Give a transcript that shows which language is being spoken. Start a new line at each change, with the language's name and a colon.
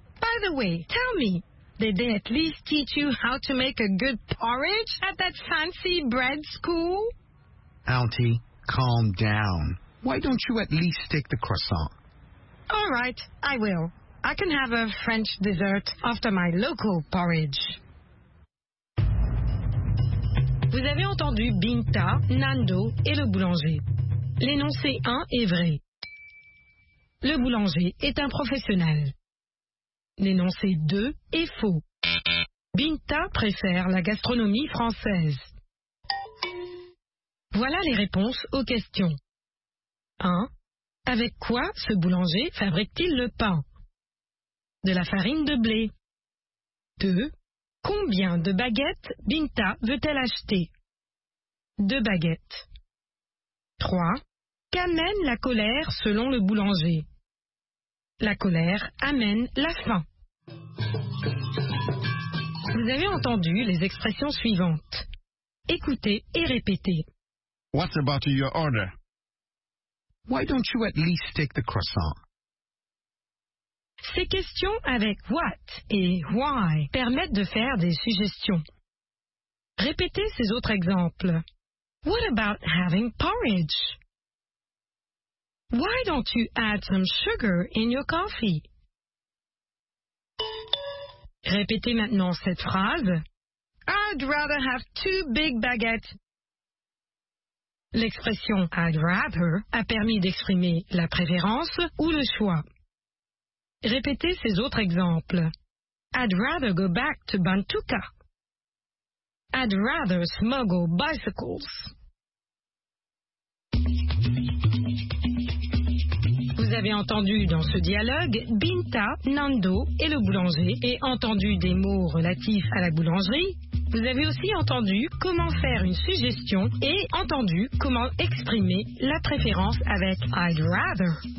English: By the way, tell me, did they at least teach you how to make a good porridge at that fancy bread school? Auntie, calm down. Why don't you at least take the croissant? All right, I will. I can have a French dessert after my local porridge.
French: Vous avez entendu Binta, Nando et le boulanger. L'énoncé 1 est vrai. Le boulanger est un professionnel. L'énoncé 2 est faux. Binta préfère la gastronomie française. Voilà les réponses aux questions. 1. Avec quoi ce boulanger fabrique-t-il le pain? De la farine de blé. 2. Combien de baguettes Binta veut-elle acheter? 2 baguettes. 3. Qu'amène la colère selon le boulanger? La colère amène la faim. Vous avez entendu les expressions suivantes. Écoutez et répétez.
English: What about your order? Why don't you at least take the croissant?
French: Ces questions avec what et why permettent de faire des suggestions. Répétez ces autres exemples.
English: What about having porridge? Why don't you add some sugar in your coffee?
French: Répétez maintenant cette phrase.
English: I'd rather have 2 big baguettes.
French: L'expression
English: I'd rather
French: a permis d'exprimer la préférence ou le choix. Répétez ces autres exemples.
English: I'd rather go back to Bantuka. I'd rather smuggle bicycles.
French: Vous avez entendu dans ce dialogue Binta, Nando et le boulanger et entendu des mots relatifs à la boulangerie Vous avez aussi entendu comment faire une suggestion et entendu comment exprimer la préférence avec
English: I'd rather.